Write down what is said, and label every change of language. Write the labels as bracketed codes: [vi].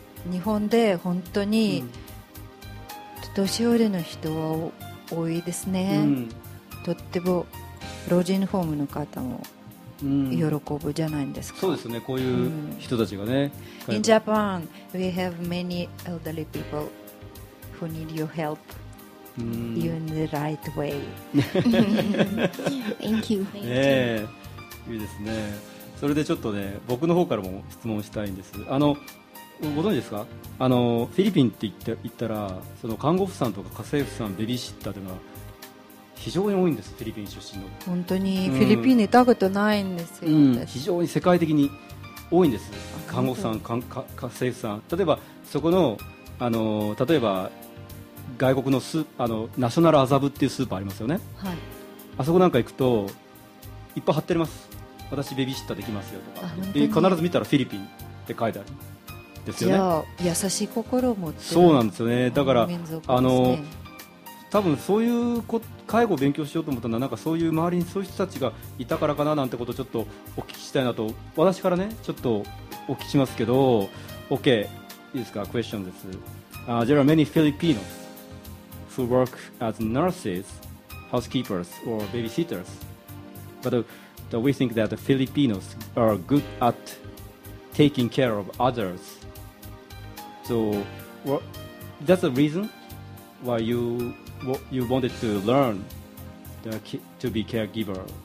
[ja] 日本で本当に、うん、年寄りの人は多いですね、うん、とっても老人ホームの方も喜ぶじゃないですか、うん、そうですね、こういう人たちがね、うん、 [en] In Japan, we have many elderly people who need your help、うん、you in the right way Thank you、 [ja] ね、いいですね。それでちょっとね僕の方からも質問したいんです。あのご存知ですか、あのフィリピンって言ったらその看護婦さんとか家政婦さん、ベビーシッターというのは非常に多いんです、フィリピン出身の。本当にフィリピンにいたことないんですよ、うん、非常に世界的に多いんです、看護婦さん、家政婦さん。例えばそこ の例えば外国 の, スあのナショナルアザブっていうスーパーありますよね、はい、あそこなんか行くといっぱい貼ってあります、私ベビーシッターできますよとか、必ず見たらフィリピンって書いてあるですよね、じゃあ優しい心を持ってる。そうなんですよね、だから民族ですね、あの多分そういう介護を勉強しようと思ったのは、なんかそういう周りにそういう人たちがいたからかななんてことをちょっとお聞きしたいなと、私からねちょっとお聞きしますけど、 OK いいですか、クエスチョンです。 [en] There are many Filipinos who work as nurses, housekeepers or babysitters, but we think that the Filipinos are good at taking care of othersSo, that's the reason why you wanted to learn to be caregiver.